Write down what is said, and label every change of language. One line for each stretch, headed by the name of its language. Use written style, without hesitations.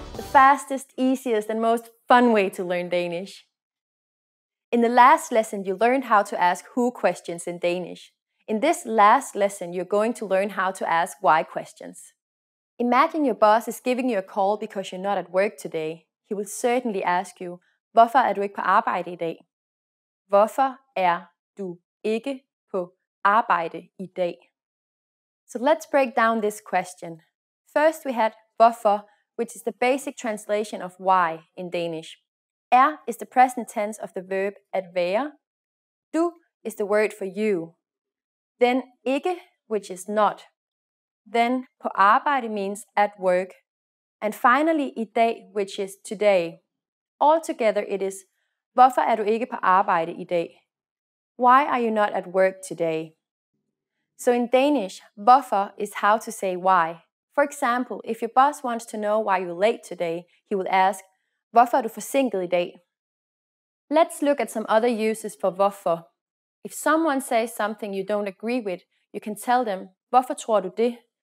English: The fastest, easiest and most fun way to learn Danish. In the last lesson, you learned how to ask who questions in Danish. In this last lesson, you're going to learn how to ask why questions. Imagine your boss is giving you a call because you're not at work today. He will certainly ask you,
Danish: hvorfor er du ikke på arbejde i dag? Hvorfor er du ikke på arbejde i dag?
English: So let's break down this question. First we had hvorfor, which is the basic translation of why in Danish. Er is the present tense of the verb at være. Du is the word for you. Then ikke, which is not. Then på arbejde means at work. And finally i dag, which is today. Altogether it is,
Danish: hvorfor er du ikke på arbejde i dag?
English: Why are you not at work today? So in Danish, hvorfor is how to say why. For example, if your boss wants to know why you're late today, he will ask,
Danish: hvorfor er du forsinket i dag?
English: Let's look at some other uses for hvorfor. If someone says something you don't agree with, you can tell them,
Danish: hvorfor tror du det?